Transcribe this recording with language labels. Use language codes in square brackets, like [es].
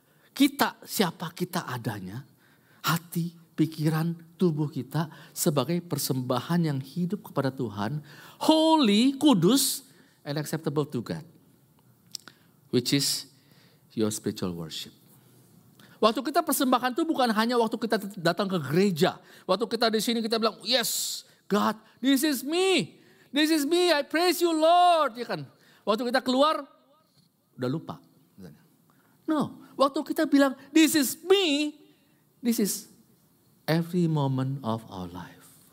[id] Kita, siapa kita adanya. Hati, pikiran, tubuh kita sebagai persembahan yang hidup kepada Tuhan. [en] Holy, kudus, and acceptable to God. Which is your spiritual worship. [id] Waktu kita persembahkan itu bukan hanya waktu kita datang ke gereja. Waktu kita di sini kita bilang, [en] yes, God, this is me. This is me, I praise you Lord. [id] Ya kan? Waktu kita keluar, udah lupa. [en] No, [id] waktu kita bilang, [en] this is me, this is every moment of our life.